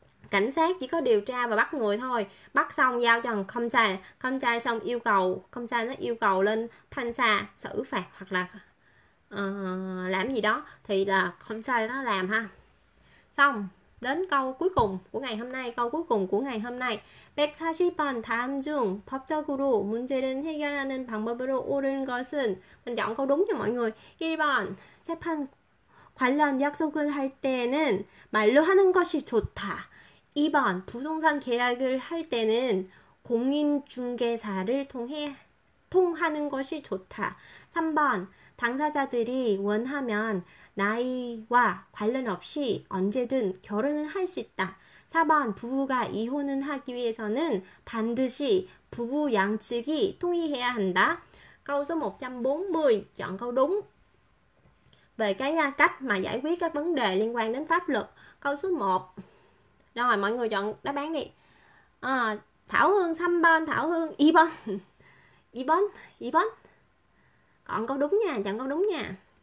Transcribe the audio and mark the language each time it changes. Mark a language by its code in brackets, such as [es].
[vi] Cảnh sát chỉ có điều tra và bắt người thôi, bắt xong giao cho công trai, công trai xong yêu cầu công trai nó yêu cầu lên thanh tra xử phạt hoặc là làm gì đó thì là công trai nó làm ha. Xong đến câu cuối cùng của ngày hôm nay, câu cuối cùng của ngày hôm nay, [ko] 140번 다음 중 법적으로 문제를 해결하는 방법으로 옳은 것은, [vi] mình chọn câu đúng cho mọi người. [ko] 1번 재판 관련 약속을 할 때는 말로 하는 것이 좋다. 2번, 부동산 계약을 할 때는 공인중개사를 통하는 것이 좋다. 3번, 당사자들이 원하면 나이와 관련 없이 언제든 결혼을 할수 있다. 4번, 부부가 이혼을 하기 위해서는 반드시 부부 양측이 동의해야 한다. [vi] Câu số 140, chọn câu đúng. Về cái cách mà giải quyết các vấn đề liên quan đến pháp luật. Câu số 1. Rồi mọi người chọn đáp án đi. À, Thảo Hương xăm bon, Thảo Hương y bon. Y bon, y bon. Còn câu đúng nha, chọn câu đúng nha.